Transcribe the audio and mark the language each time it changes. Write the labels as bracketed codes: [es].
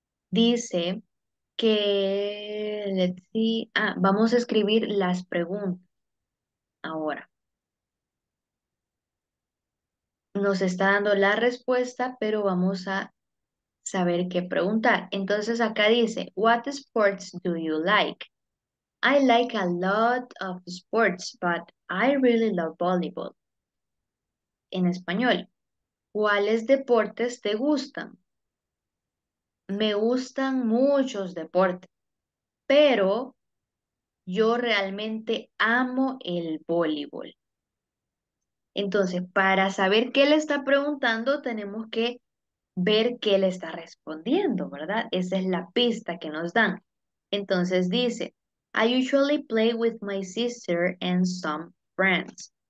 [es] Dice que, [en] let's see, [es] vamos a escribir las preguntas ahora. Nos está dando la respuesta, pero vamos a saber qué preguntar. Entonces acá dice, [en] What sports do you like? I like a lot of sports, but I really love volleyball. [es] En español. ¿Cuáles deportes te gustan? Me gustan muchos deportes, pero yo realmente amo el voleibol. Entonces, para saber qué le está preguntando, tenemos que ver qué le está respondiendo, ¿verdad? Esa es la pista que nos dan. Entonces dice, [en] I usually play with my sister and some friends.